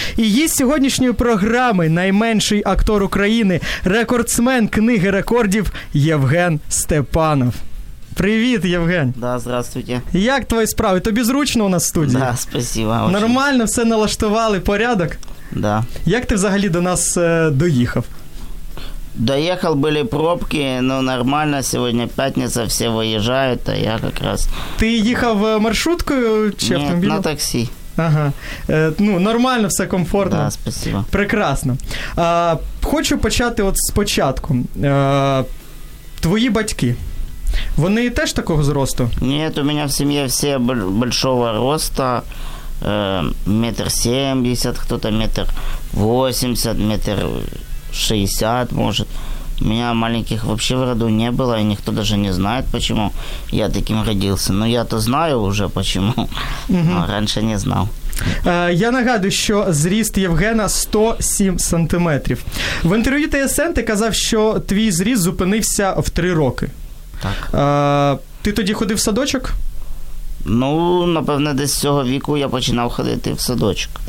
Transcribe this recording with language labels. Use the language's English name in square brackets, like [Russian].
[Ukrainian] І гість сьогоднішньої програми – найменший актор України, рекордсмен книги рекордів Євген Степанов. Привіт, Євген. [Russian] Да, здравствуйте. [Ukrainian] Як твої справи? Тобі зручно у нас в студії? [Russian] Да, спасибо. Очень. [Ukrainian] Нормально все налаштували, порядок? [Russian] Да. [Ukrainian] Як ти взагалі до нас доїхав? [Russian] Доехал, были пробки, но нормально, сегодня пятница, все выезжают, а я как раз... Ты ехал маршруткой или автомобилем? Нет, на такси. Ага. Ну, нормально, все комфортно. Да, спасибо. Прекрасно. [Ukrainian] Хочу почати от спочатку. Твої батьки, вони теж такого зросту? [Russian] Нет, у меня в семье все большого роста. 1.70 м, кто-то 1.80 м, 1.60 м, может. У меня маленьких вообще в роду не было, и никто даже не знает, почему я таким родился. Но я-то знаю уже, почему. Угу. Но раньше не знал. [Ukrainian] Я нагадую, що зріст Євгена 107 сантиметрів. В інтерв'ю ТСН ти казав, що твій зріст зупинився в 3 роки. Так. Ти тоді ходив в садочок? Ну, напевно, десь з цього віку я починав ходити в садочок.